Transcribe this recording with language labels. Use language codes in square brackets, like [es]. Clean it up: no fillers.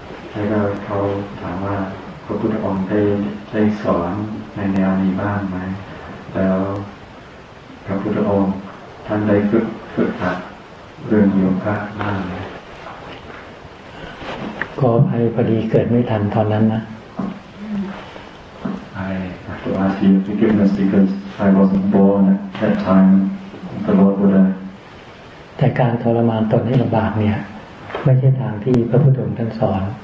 [th] แล้วเขาถามว่าพระพุทธองค์ได้สอนในแนวนี้บ้างไหมแล้วพระพุทธองค์ท่านได้ฝึกหัดเรื่องโยคะบ้างไหม ก็ไปพอดีเกิดไม่ทันตอนนั้นนะ [en] I have to ask you forgiveness because I wasn't born at that time the Lord Buddha [th] แต่การทรมานตนให้ลำบากเนี่ยไม่ใช่ทางที่พระพุทธองค์ท่านสอน